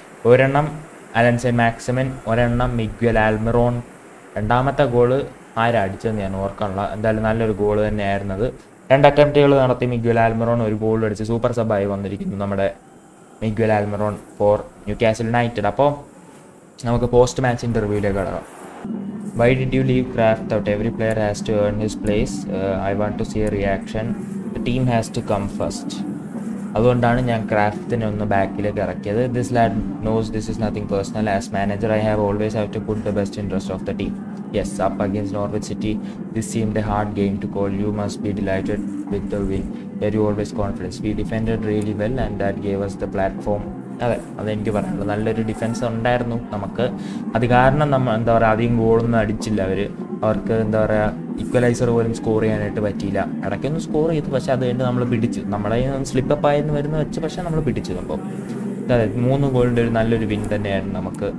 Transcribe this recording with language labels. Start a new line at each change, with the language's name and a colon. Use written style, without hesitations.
Malayalam: ഒരെണ്ണം അലൻ സെയിൻ മാക്സിമിൻ, ഒരെണ്ണം മിഗ്വൽ ആൽമിറോൺ. രണ്ടാമത്തെ ഗോള് ആരടിച്ചതെന്ന് ഞാൻ ഓർക്കാനുള്ള. എന്തായാലും നല്ലൊരു ഗോള് തന്നെയായിരുന്നത്. രണ്ട് അറ്റംപ്റ്റുകൾ നടത്തി മിഗ്വൽ ആൽമിറോൺ. ഒരു ഗോൾ അടിച്ച് സൂപ്പർ സബ് ആയി വന്നിരിക്കുന്നു നമ്മുടെ മിഗ്വൽ ആൽമിറോൺ ഫോർ ന്യൂക്യാസൽ നൈറ്റഡ്. അപ്പോൾ നമുക്ക് പോസ്റ്റ് മാച്ച് ഇന്റർവ്യൂവിലേക്ക് കടക്കാം.
English: Why did you leave Kraft out? Every player has to earn his place. I want to see a reaction. The team has to come first.
Malayalam: അതുകൊണ്ടാണ് ഞാൻ ക്രാഫ്റ്റിനെ ഒന്ന് ബാക്കിലേക്ക് ഇറക്കിയത്.
English: This lad knows this is nothing personal. As manager, I have always have to put the best interest of the team. Yes, up against Norwich City, this seemed a hard game to call. You must be delighted with the win. Were you always confident? We defended really well and that gave us the platform.
Malayalam: അതെ, അതെനിക്ക് പറയാനുള്ളത്. നല്ലൊരു defence ഉണ്ടായിരുന്നു നമുക്ക്. അത് കാരണം നമ്മൾ എന്താ പറയുക, അധികം ഗോളൊന്നും അടിച്ചില്ല അവർ. അവർക്ക് എന്താ പറയുക, ഇക്വലൈസർ പോലും സ്കോർ ചെയ്യാനായിട്ട് പറ്റിയില്ല. ഇടയ്ക്കൊന്നും സ്കോർ ചെയ്തു, പക്ഷെ അത് കഴിഞ്ഞ് നമ്മൾ പിടിച്ചു. നമ്മളെ സ്ലിപ്പപ്പ് ആയിരുന്നു വരുന്നു വെച്ച്, പക്ഷെ നമ്മൾ പിടിച്ചു. അപ്പോൾ അതെ, 3 goals ഒരു നല്ലൊരു വിൻ തന്നെയായിരുന്നു നമുക്ക്.